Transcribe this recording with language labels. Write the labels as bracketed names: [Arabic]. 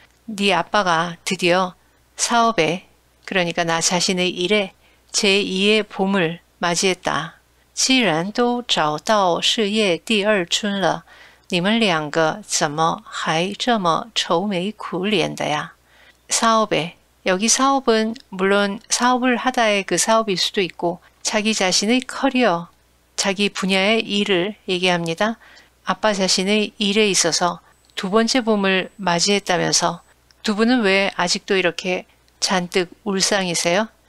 [Korean] 네 아빠가 드디어 사업에, 그러니까 나 자신의 일에 제2의 봄을 맞이했다. [Chinese] 既然都找到事业第二春了,你们两个怎么还这么愁眉苦脸的呀? [Korean] 사업에, 여기 사업은 물론 사업을 하다의 그 사업일 수도 있고 자기 자신의 커리어, 자기 분야의 일을 얘기합니다. 아빠 자신의 일에 있어서 두 번째 봄을 맞이했다면서. 두 분은 왜 아직도 이렇게 잔뜩 울상이세요?